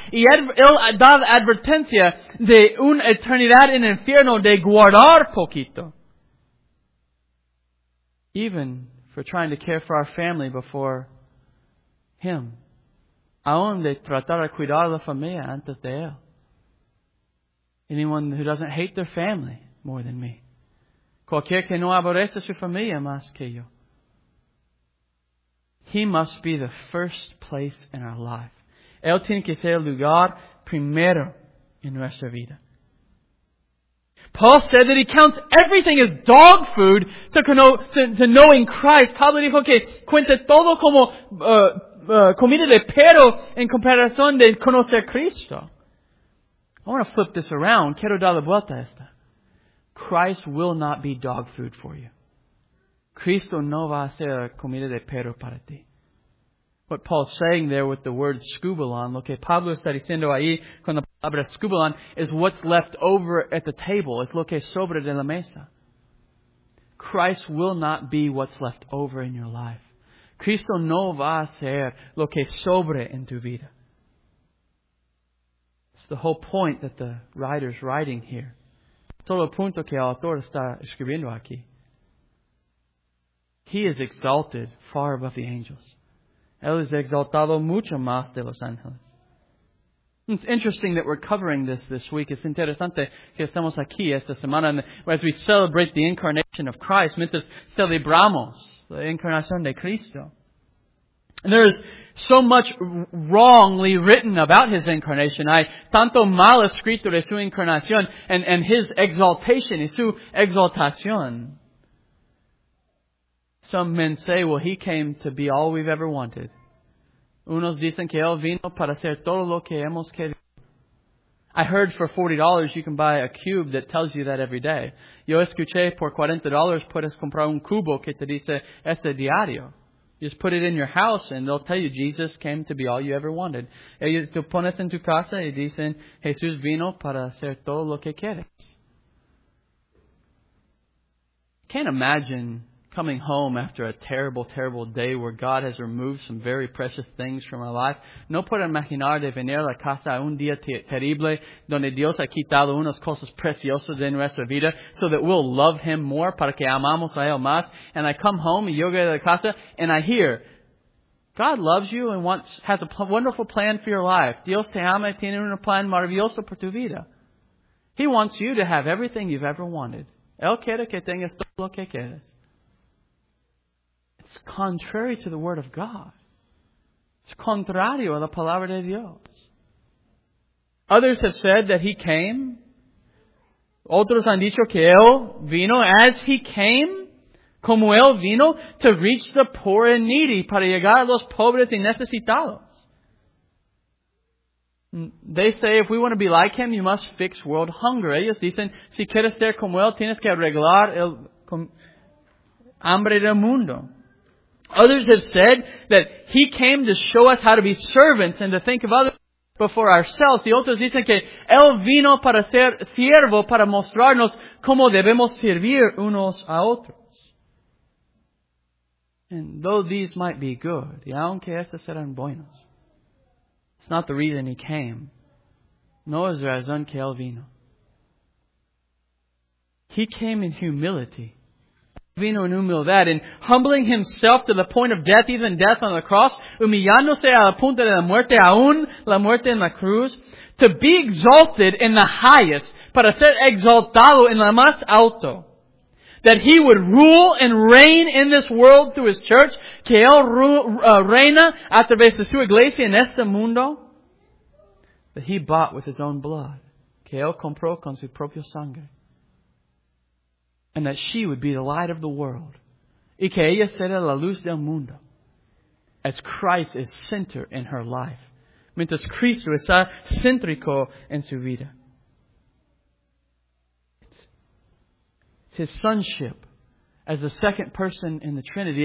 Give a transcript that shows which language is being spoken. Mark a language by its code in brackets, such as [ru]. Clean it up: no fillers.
[es] Y Él da advertencia de una eternidad en el infierno de guardar poquito. [en] even for trying to care for our family before Him. [es] Aún de tratar de cuidar la familia antes de Él. [en] Anyone who doesn't hate their family more than me. [es] Cualquier que no aborrece su familia más que yo. [en] He must be the first place in our life. [es] Él tiene que ser el lugar primero en nuestra vida. [en] Paul said that he counts everything as dog food to knowing Christ. [es] Pablo dijo que cuenta todo como comida de perro en comparación de conocer Cristo. [en] I want to flip this around. [es] Quiero dar la vuelta a esta. [en] Christ will not be dog food for you. [es] Cristo no va a ser comida de perro para ti. [en] What Paul's saying there with the word scubalon, [es] lo que Pablo está diciendo ahí con la palabra scubalon, [en] is what's left over at the table. [es] Es lo que sobra de la mesa. [en] Christ will not be what's left over in your life. [es] Cristo no va a ser lo que sobra en tu vida. [en] It's the whole point that the writer's writing here. [es] Todo el punto que el autor está escribiendo aquí. [en] He is exalted far above the angels. [es] Él es exaltado mucho más de los ángeles. [en] It's interesting that we're covering this week. [es] Es interesante que estamos aquí esta semana [en] as we celebrate the incarnation of Christ, [es] mientras celebramos la incarnación de Cristo. [en] And there's so much wrongly written about His incarnation. [es] Hay tanto mal escrito de su incarnación [en] and His exaltation, [es] y su exaltación. [en] Some men say, well, He came to be all we've ever wanted. [es] Unos dicen que Él vino para ser todo lo que hemos querido. [en] I heard for $40 you can buy a cube that tells you that every day. [es] Yo escuché por $40 puedes comprar un cubo que te dice este diario. [en] Just put it in your house and they'll tell you Jesus came to be all you ever wanted. [es] Ellos te pones en tu casa y dicen Jesús vino para ser todo lo que quieres. [en] Can't imagine coming home after a terrible, terrible day where God has removed some very precious things from our life. [es] No puedo imaginar de venir a la casa un día terrible donde Dios ha quitado unas cosas preciosas de nuestra vida [en] so that we'll love Him more [es] para que amamos a Él más. [en] And I come home [es] y yo voy a la casa [en] and I hear, God loves you and has a wonderful plan for your life. [es] Dios te ama y tiene un plan maravilloso por tu vida. [en] He wants you to have everything you've ever wanted. [es] Él quiere que tengas todo lo que quieres. [en] It's contrary to the Word of God. It's [es] contrario a la Palabra de Dios. [en] Others have said that He came. [es] Otros han dicho que Él vino [en] as He came. [es] Como Él vino [en] to reach the poor and needy. [es] Para llegar a los pobres y necesitados. [en] They say if we want to be like Him, you must fix world hunger. [es] Ellos dicen, si quieres ser como Él, tienes que arreglar el hambre del mundo. [en] Others have said that He came to show us how to be servants and to think of others before ourselves. [es] Y otros dicen que Él vino para ser siervo, para mostrarnos cómo debemos servir unos a otros. [en] And though these might be good, [es] y aunque estos eran buenos, [en] it's not the reason He came. [es] No es razón que Él vino. [en] He came in humility. [es] Vino en humildad, [en] in humbling Himself to the point of death, even death on the cross, [es] humillándose a la punta de la muerte, aún la muerte en la cruz, [en] to be exalted in the highest, [es] para ser exaltado en la más alto, [en] that He would rule and reign in this world through His church, [es] que Él reina a través de su iglesia en este mundo, [en] that He bought with His own blood, [es] que Él compró con su propio sangre. [en] And that she would be the light of the world. [es] Y que ella será la luz del mundo. [en] As Christ is center in her life. [es] Mientras Cristo está céntrico en su vida. [en] It's His sonship. As the second person in the Trinity.